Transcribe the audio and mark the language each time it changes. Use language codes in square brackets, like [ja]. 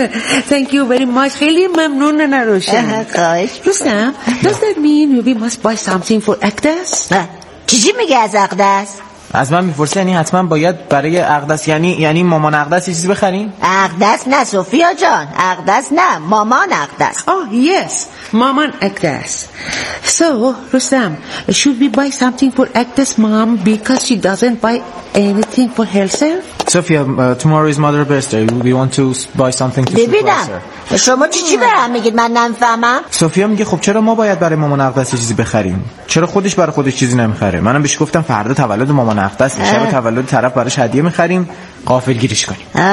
[en] Thank you very much. خیلی ممنون نه روشن روشن Does that mean we must buy something for Aqdas? [fa] چیزی میگه از Aqdas؟ از من میپرسه یعنی حتما باید برای Aqdas یعنی مامان Aqdas چیزی بخریم؟ Aqdas نه سوفیا جان Aqdas نه مامان Aqdas [en] Oh yes مامان Aqdas So Rustam Should we buy something for Aqdas mom Because she doesn't buy anything for herself Sophia tomorrow is mother's birthday We want to buy something to support her [fa] ببینم شما چی به هم میگید من نمیفهمم سوفیا میگه خب چرا ما باید برای مامان Aqdas چیزی بخریم چرا خودش برای خودش چیزی نمیخره منم بهش گفتم فردا تولد مامان Aqdas شب تولد طرف براش هدیه میخریم غافل گیرش کنیم